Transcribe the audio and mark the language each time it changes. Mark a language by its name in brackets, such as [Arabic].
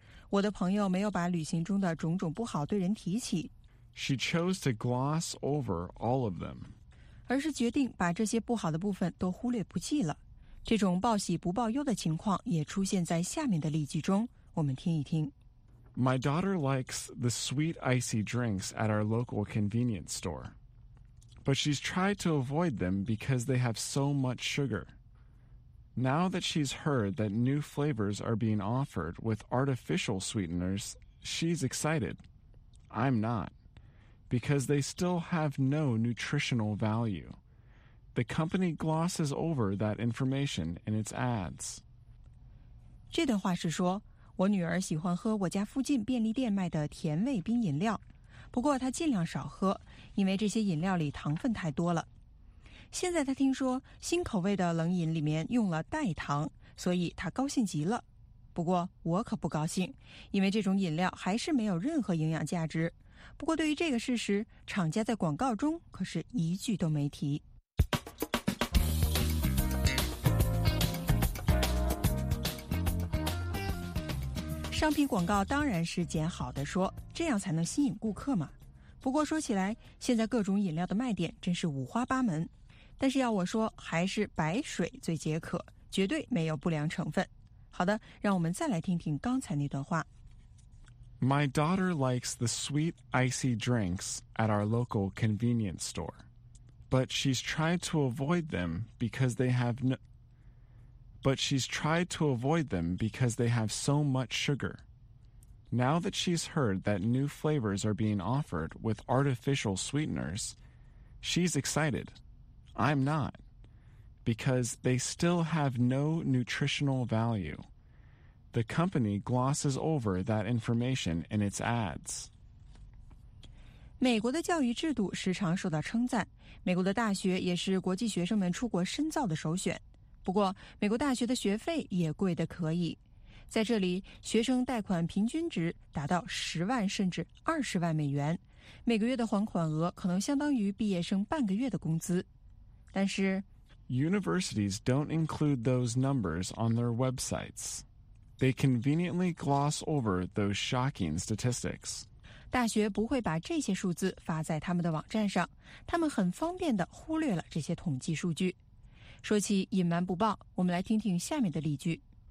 [Chinese] 我的朋友没有把旅行中的种种不好对人提起。 [English] She chose to gloss over all of them. [Chinese] 而是决定把这些不好的部分都忽略不计了。这种报喜不报忧的情况也出现在下面的例句中，我们听一听。 [English] My daughter likes the sweet icy drinks at our local convenience store, but she's tried to avoid them because they have so much sugar. Now that she's heard that new flavors are being offered with artificial sweeteners, she's excited. I'm not. Because they still have no nutritional value. The company glosses over that information in its ads. [Chinese] 这段话是说，我女儿喜欢喝我家附近便利店卖的甜味冰饮料，不过她尽量少喝，因为这些饮料里糖分太多了。现在她听说新口味的冷饮里面用了代糖，所以她高兴极了。不过我可不高兴，因为这种饮料还是没有任何营养价值。不过对于这个事实，厂家在广告中可是一句都没提。商品广告当然是捡好的说，这样才能吸引顾客嘛。不过说起来，现在各种饮料的卖点真是五花八门，但是要我说，还是白水最解渴，绝对没有不良成分。好的，让我们再来听听刚才那段话。 [English] My daughter likes the sweet icy drinks at our local convenience store, but she's tried to avoid them because they have no. But she's tried to avoid them because they have so much sugar. Now that she's heard that new flavors are being offered with artificial sweeteners, she's excited. I'm not, because they still have no nutritional value. The company glosses over that information in its ads. [Chinese] 美国的教育制度时常受到称赞，美国的大学也是国际学生们出国深造的首选。不过，美国大学的学费也贵得可以。在这里，学生贷款平均值达到10万甚至20万美元，每个月的还款额可能相当于毕业生半个月的工资。但是 [English] ，Universities don't include those numbers on their websites. They conveniently gloss over those shocking statistics. [Chinese] 大学不会把这些数字发在他们的网站上，他们很方便地忽略了这些统计数据。说起隐瞒不报，我们来听听下面的例句。